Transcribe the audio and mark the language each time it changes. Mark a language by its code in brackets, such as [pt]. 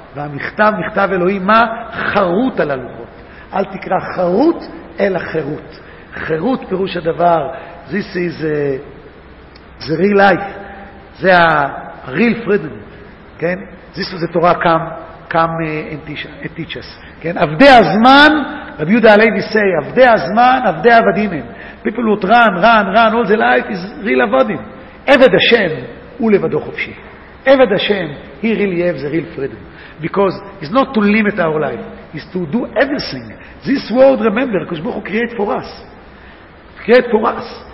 [he] והמכתב, מכתב אלוהים, מה? חרות על הלוחות. אל תקרא חרות אל החירות. חירות פירוש הדבר. [en] This is the real life. זה ה-real freedom. כן? This was the Torah come and teach us. [he] כן? עבדי הזמן, רבי יהודה הלוי [en] say, [he] עבדי הזמן, עבדי עבדים הם. [en] People would run, all the life is real עבדים. [he] עבד השם הוא לבדו חופשי. עבד השם, [en] he really have the real freedom. Because it's not to limit our life. Is to do everything. This world, remember, because Bohu created for us. Create for us.